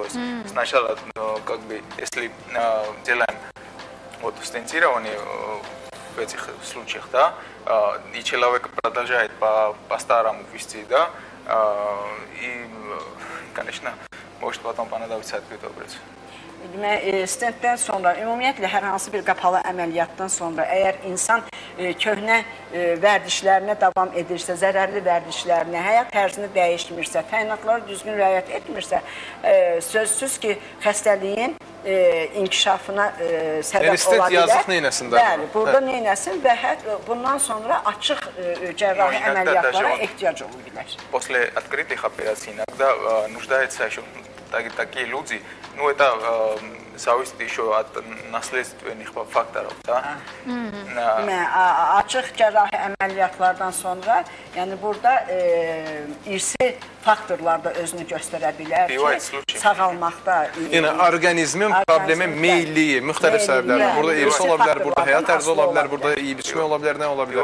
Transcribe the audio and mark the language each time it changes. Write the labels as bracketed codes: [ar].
[ru] То есть сначала, как бы, если делаем вот стентирование в этих случаях, да, и человек продолжает по-старому вести, да, и, конечно, может потом понадобиться открытая операция. [az] Stentdən sonra, ümumiyyətlə, hər hansı bir qapalı əməliyyatdan sonra əgər insan köhnə vərdişlərinə davam edirsə, zərərli vərdişlərinə, həyat tərzini dəyişmirsə, təyinatları düzgün rəayət etmirsə, sözsüz ki, xəstəliyin inkişafına səbəb ola bilər. Stent yazıq neynəsində? Bəli, burada neynəsin və bundan sonra açıq cərrahi əməliyyatlara ehtiyac ola bilər. [ru] После открытых операций иногда нуждается еще такие люди. Ну, это зависит еще от наследственных факторов, да? [az] açıq cərrahi əməliyyatlardan sonra, yəni burada irsi faktorlar da özünü göstərə bilər ki, sağalmaqda. Yəni, orqanizmin problemi meyilliyi, müxtəlif səbəblər, burada irsi ola bilər, burada həyat tərzi ola bilər, burada iyi biçmək ola bilər, nə ola bilər?